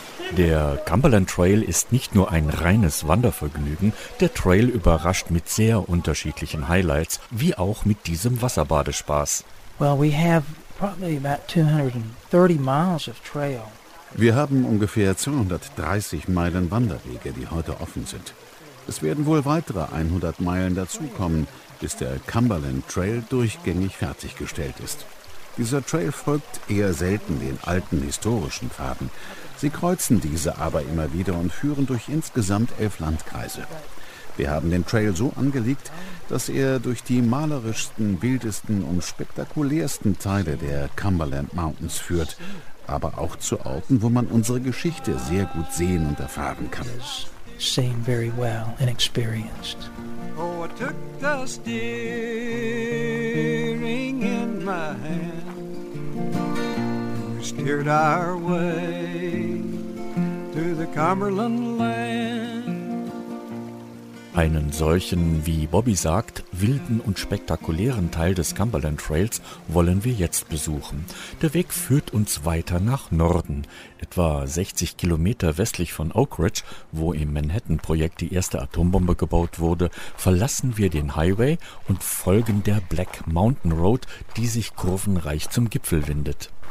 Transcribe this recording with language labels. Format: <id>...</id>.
<de>Der Cumberland Trail ist nicht nur ein reines Wandervergnügen, der Trail überrascht mit sehr unterschiedlichen Highlights, wie auch mit diesem Wasserbadespaß.</de> <en>Well, we have probably about 230 miles of trail.</en> <de>Wir haben ungefähr 230 Meilen Wanderwege, die heute offen sind. Es werden wohl weitere 100 Meilen dazukommen, bis der Cumberland Trail durchgängig fertiggestellt ist. Dieser Trail folgt eher selten den alten historischen Pfaden. Sie kreuzen diese aber immer wieder und führen durch insgesamt 11 Landkreise. Wir haben den Trail so angelegt, dass er durch die malerischsten, wildesten und spektakulärsten Teile der Cumberland Mountains führt, aber auch zu Orten, wo man unsere Geschichte sehr gut sehen und erfahren kann.</de> <en>Seen very well and experienced. Oh, I took the steering in my hand. We steered our way to the Cumberland Land.</en> <de>Einen solchen, wie Bobby sagt, wilden und spektakulären Teil des Cumberland Trails wollen wir jetzt besuchen. Der Weg führt uns weiter nach Norden. Etwa 60 Kilometer westlich von Oak Ridge, wo im Manhattan-Projekt die erste Atombombe gebaut wurde, verlassen wir den Highway und folgen der Black Mountain Road, die sich kurvenreich zum Gipfel windet.</de>